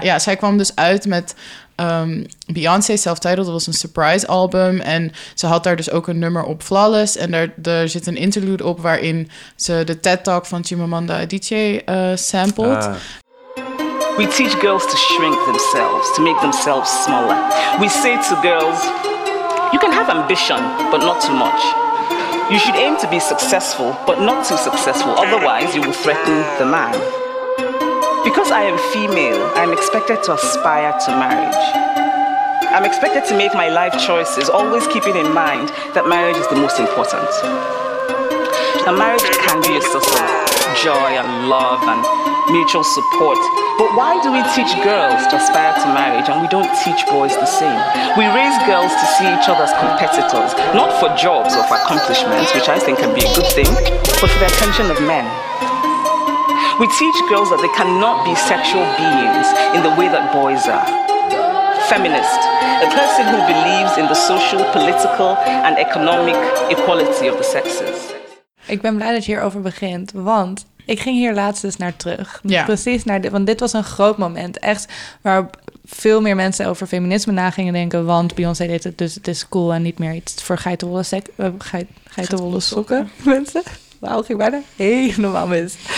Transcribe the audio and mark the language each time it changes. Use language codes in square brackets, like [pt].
[nl] Ja, zij kwam dus uit met Beyoncé Self-Titled. Dat was een surprise album. En ze had daar dus ook een nummer op Flawless. En daar zit een interlude op waarin ze de TED-talk van Chimamanda Adichie sampled. [en] We teach girls to shrink themselves, to make themselves smaller. We say to girls, you can have ambition, but not too much. You should aim to be successful, but not too successful. Otherwise, you will threaten the man. Because I am female, I'm expected to aspire to marriage. I'm expected to make my life choices, always keeping in mind that marriage is the most important. A marriage can be a source of joy and love and mutual support. But why do we teach girls to aspire to marriage and we don't teach boys the same? We raise girls to see each other as competitors, not for jobs or for accomplishments, which I think can be a good thing, but for the attention of men. We teach girls that they cannot be sexual beings in the way that boys are. Feminist, a person who believes in the social, political and economic equality of the sexes. [nl] Ik ben blij dat je hierover begint, want ik ging hier laatst dus naar terug. Ja. Precies naar dit, want dit was een groot moment. Echt waar veel meer mensen over feminisme na gingen denken. Want Beyoncé deed het, dus het is cool en niet meer iets voor geitenwolle sokken. Mensen, waarom ging ik bijna helemaal mis?